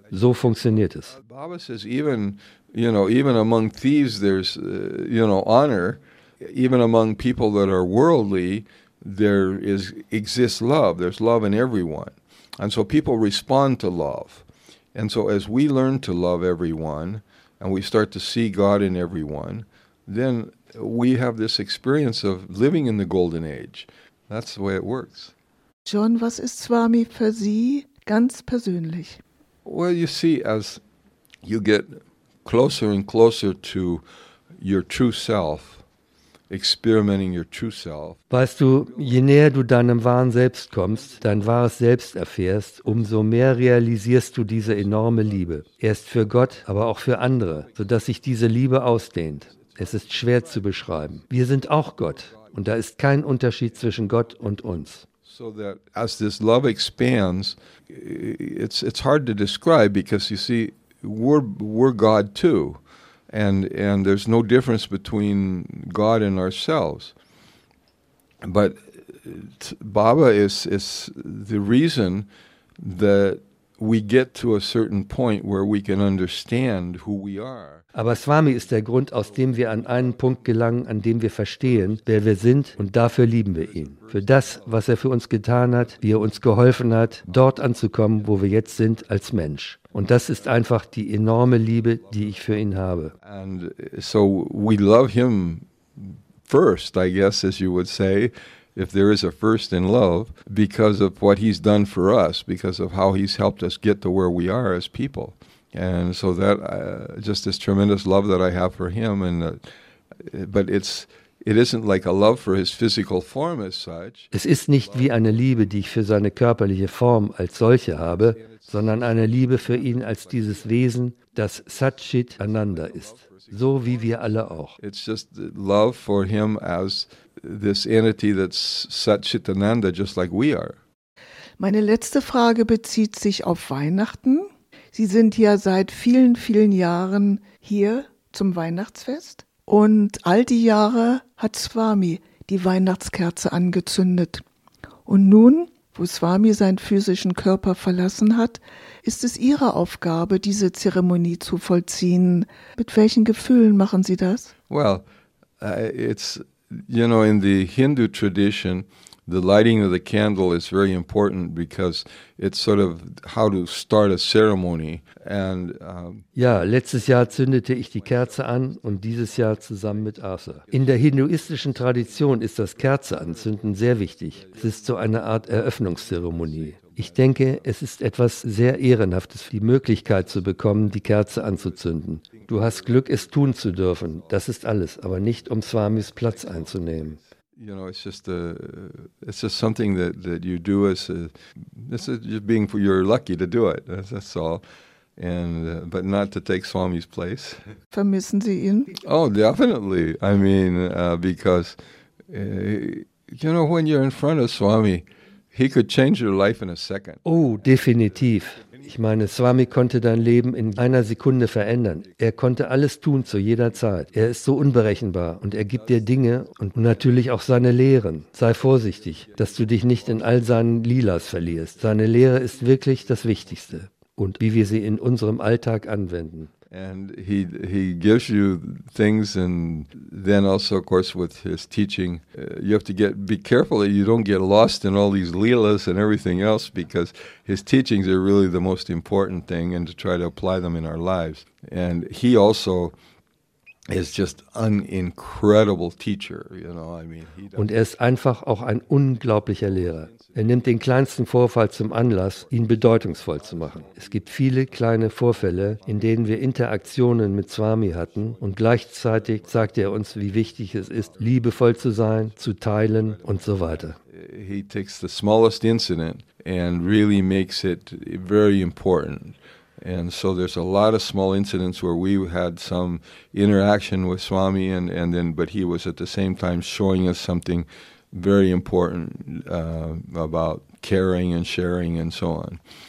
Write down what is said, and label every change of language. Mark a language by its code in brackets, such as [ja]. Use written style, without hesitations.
[de] So funktioniert es. [en] Baba says, even, you know, even among thieves there's, you know, honor. Even among people that are worldly, there exists love. There's love in everyone. And so people respond to love. And so as we learn to love everyone and we start to see God in everyone, then we have this experience of living in the golden age. That's the way it works. [de] John, was ist Swami für Sie ganz persönlich? [en] Well, you see, as you get closer and closer to your true self, experimenting your true self. [de] Weißt du, je näher du deinem wahren Selbst kommst, dein wahres Selbst erfährst, umso mehr realisierst du diese enorme Liebe. Erst für Gott, aber auch für andere, sodass sich diese Liebe ausdehnt. Es ist schwer zu beschreiben. Wir sind auch Gott, und da ist kein Unterschied zwischen Gott und uns. [en] So that as this love expands, it's hard to describe, because you see, we're God too. And there's no difference between God and ourselves. But Baba is the reason that we get to a certain point where we can understand who we are. [de] Aber Swami ist der Grund, aus dem wir an einen Punkt gelangen, an dem wir verstehen, wer wir sind, und dafür lieben wir ihn. Für das, was er für uns getan hat, wie er uns geholfen hat, dort anzukommen, wo wir jetzt sind, als Mensch. Und das ist einfach die enorme Liebe, die ich für ihn habe. [en] And so we love him first, I guess, as you would say, if there is a first in love, because of what he's done for us, because of how he's helped us get to where we are as people. And so that just this tremendous love that I have for him, and but it isn't like a love for his physical form as such. [de] Es ist nicht wie eine Liebe, die ich für seine körperliche Form als solche habe, sondern eine Liebe für ihn als dieses Wesen, das Satchit Ananda ist, so wie wir alle auch. [en] It's just love for him as this entity that's Satchit Ananda, just like we are. [de] Meine letzte Frage bezieht sich auf Weihnachten. Sie sind ja seit vielen, vielen Jahren hier zum Weihnachtsfest. Und all die Jahre hat Swami die Weihnachtskerze angezündet. Und nun, wo Swami seinen physischen Körper verlassen hat, ist es Ihre Aufgabe, diese Zeremonie zu vollziehen. Mit welchen Gefühlen machen Sie das? [en] Well, it's, you know, in the Hindu tradition, the lighting of the candle is very important, because it's sort of how to start a ceremony. And [de] ja, letztes Jahr zündete ich die Kerze an und dieses Jahr zusammen mit Arthur. In der hinduistischen Tradition ist das Kerzeanzünden sehr wichtig. Es ist so eine Art Eröffnungszeremonie. Ich denke, es ist etwas sehr Ehrenhaftes, die Möglichkeit zu bekommen, die Kerze anzuzünden. Du hast Glück, es tun zu dürfen. Das ist alles, aber nicht, um Swamis Platz einzunehmen. [en] You know, it's just something that you do as a, it's just being for you're lucky to do it. That's all. But not to take Swami's place. [de] Vermissen Sie ihn? [en] Oh, definitely. I mean, because, you know, when you're in front of Swami, he could change your life in a second. [de] Oh, definitiv. Ich meine, Swami konnte dein Leben in einer Sekunde verändern. Er konnte alles tun zu jeder Zeit. Er ist so unberechenbar und er gibt dir Dinge und natürlich auch seine Lehren. Sei vorsichtig, dass du dich nicht in all seinen Lilas verlierst. Seine Lehre ist wirklich das Wichtigste und wie wir sie in unserem Alltag anwenden. [en] And he gives you things, and then also, of course, with his teaching, you have to be careful that you don't get lost in all these leelas and everything else, because his teachings are really the most important thing, and to try to apply them in our lives. And he also is just an incredible teacher, you know. I mean, [de] und er ist einfach auch ein unglaublicher Lehrer. Er nimmt den kleinsten Vorfall zum Anlass, ihn bedeutungsvoll zu machen. Es gibt viele kleine Vorfälle, in denen wir Interaktionen mit Swami hatten und gleichzeitig sagte er uns, wie wichtig es ist, liebevoll zu sein, zu teilen und so weiter. [en] He takes the smallest incident and really makes it very important. And so there's a lot of small incidents where we had some interaction with Swami, but he was at the same time showing us something very important about caring and sharing and so on.